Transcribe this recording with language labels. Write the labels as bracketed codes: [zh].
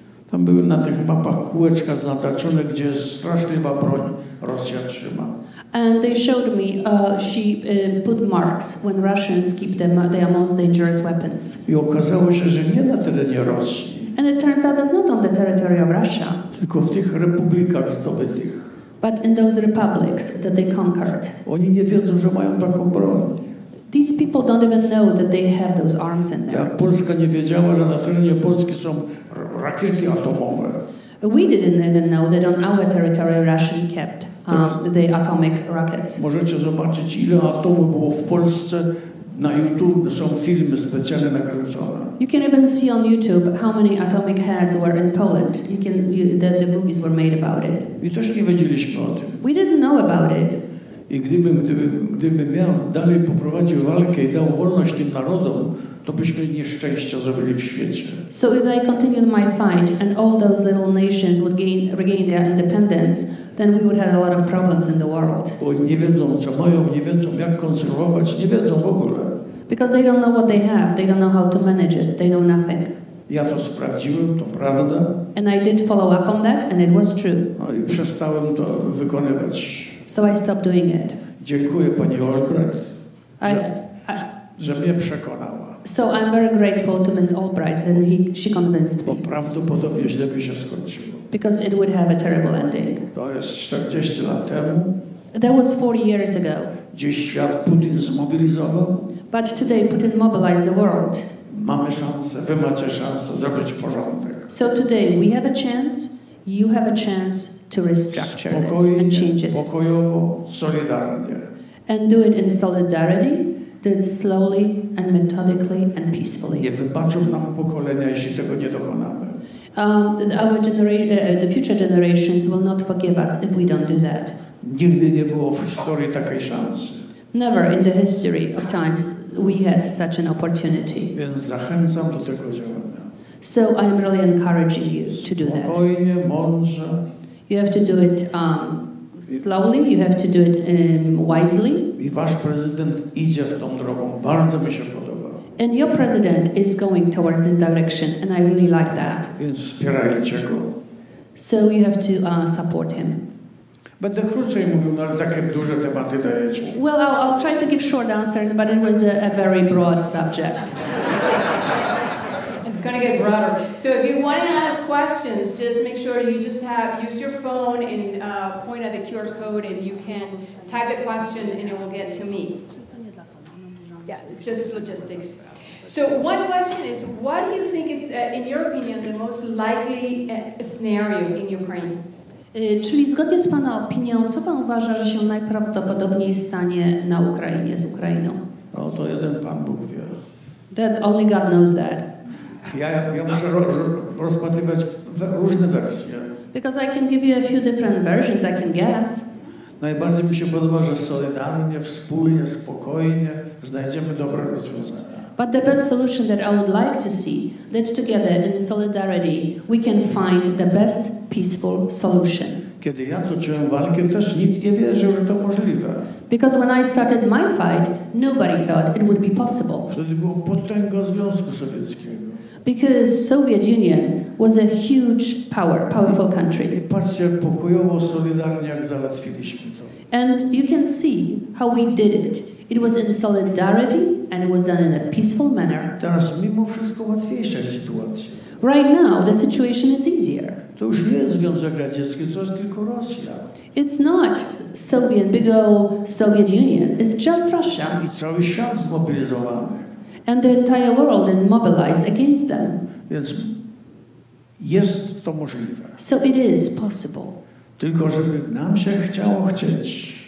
[pl] Tam były na tych mapach kółeczka zataczone, gdzie straszliwa broń Rosja trzyma. [en] And they showed me, she put marks when Russians keep their most dangerous weapons. [pl] I okazało się, że nie na terenie Rosji. [en] And it turns out it's not on the territory of Russia. [pl] Tylko w tych republikach zdobytych. [en] But in those republics that they conquered. [pl] Oni nie wiedzą, że mają taką broń. [en] These people don't even know that they have those arms in there. [pl] Jak Polska nie wiedziała, że na terenie Polski są rakiety atomowe. [en] We didn't even know that on our territory Russian kept the atomic rockets. [pl] Możecie zobaczyć, ile atomów było w Polsce. Na YouTube są filmy specjalnie nakręcone. [en] You can even see on YouTube how many atomic heads were in Poland. The movies were made about it. [pl] I też nie wiedzieliśmy o tym. [en] We didn't know about it. [pl] I gdybym miał dalej poprowadził walkę i dał wolność tym narodom, to byśmy nieszczęścia zrobili w świecie. [en] So if I continued my fight and all those little nations would regain their independence, then we would have a lot of problems in the world. [pl] Bo nie wiedzą, co mają, nie wiedzą, jak konserwować, nie wiedzą w ogóle. [en] Because they don't know what they have, they don't know how to manage it, they know nothing. [pl] Ja to sprawdziłem, to prawda. [en] And I did follow up on that, and it was true. [pl] No i przestałem to wykonywać. [en] So I stopped doing it. [pl] Dziękuję pani Albrecht, że mnie przekonała. [en] So I'm very grateful to Ms. Albright that she convinced me. [pl] Bo prawdopodobnie źle by się skończyło. [en] Because it would have a terrible ending. [pl] To jest 40 lat temu. [en] That was 40 years ago. [pl] Dziś świat Putin zmobilizował. [en] But today Putin mobilized the world. [pl] Mamy szansę, wy macie szansę zrobić porządek. [en] So today we have a chance, you have a chance to restructure [pl] spokojnie, [en] this and change it. [pl] Pokojowo, solidarnie. [en] And do it in solidarity. Did slowly and methodically and peacefully. [pl] Nie wybaczą nam pokolenia, jeśli tego nie dokonamy. [en] The future generations will not forgive us if we don't do that. [pl] Nigdy nie było w historii takiej szansy. [en] Never in the history of times we had such an opportunity. [pl] Więc zachęcam do tego działania. [en] So I am really encouraging you to do that. [pl] Spokojnie, mądrze. [en] You have to do it slowly, you have to do it wisely. [pl] I wasz prezydent idzie w tą drogą. Bardzo mi się podoba. [en] And your president is going towards this direction, and I really like that. [pl] Więc wspierajcie go. [en] So you have to support him. [pl] Będę krócej mówił, ale takie duże tematy dajecie. [en] Well, I'll try to give short answers, but it was a very broad subject. It's going to get broader. So if you want to ask questions, just make sure you just use your phone and point at the QR code and you can type the question and it will get to me. Yeah, it's just logistics. So one question is, what do you think is, in your opinion, the most likely scenario in Ukraine? [pl] Czyli zgodnie z Pana opinią, co Pan uważa, że się najprawdopodobniej stanie na Ukrainie z Ukrainą? No to jeden Pan Bóg wie. [en] That only God knows that. [pl] Ja muszę rozpatrywać różne wersje. [en] Because I can give you a few different versions, I can guess. [pl] Najbardziej mi się podoba, że solidarnie, wspólnie, spokojnie znajdziemy dobre rozwiązania. [en] But the best solution that I would like to see, that together in solidarity we can find the best peaceful solution. [pl] Kiedy ja toczyłem walkę, też nikt nie wierzył, że to możliwe. [en] Because when I started my fight, nobody thought it would be possible. [pl] Wtedy było potęgą Związku Sowieckiego. [en] Because Soviet Union was a huge power, powerful country. [pl] I patrzcie, pokojowo, solidarnie, jak załatwiliśmy to. [en] And you can see how we did it. It was in solidarity and it was done in a peaceful manner. [pl] Teraz mimo wszystko łatwiejsza sytuacja. [en] Right now the situation is easier. [pl] To już nie jest Związek Radziecki, to jest tylko Rosja. [en] It's not Soviet, big old Soviet Union, it's just Russia. [pl] I cały świat zmobilizowany. [en] And the entire world is mobilized against them. [pl] Więc jest to możliwe. [en] So it is possible. [pl] Tylko żeby nam się chciało chcieć.